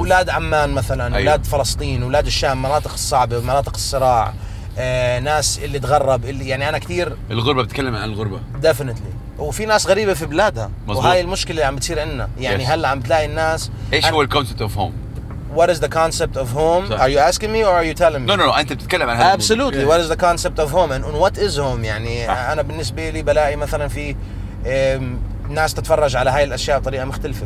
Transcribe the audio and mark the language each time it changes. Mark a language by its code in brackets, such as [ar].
[ar] أولاد عمان مثلاً أيوه. أولاد فلسطين أولاد الشام مناطق الصعبة مناطق الصراع ناس اللي تغرب اللي يعني أنا كتير الغربة بتكلم عن الغربة definitely وفي ناس غريبة في بلادها مزبوط. وهاي المشكلة اللي عم بتصير عنا يعني yes. هلا عم تلاقي الناس إيش هو [en] concept of home What is the concept of home? Sorry. Are you asking me or are you telling me? [ar] No, أنت بتتكلم عن هذا. [en] Absolutely. Yeah. What is the concept of home and what is home? [ar] يعني أنا بالنسبة لي بلاقي مثلاً في ناس تتفرج على هاي الأشياء بطريقة مختلفة.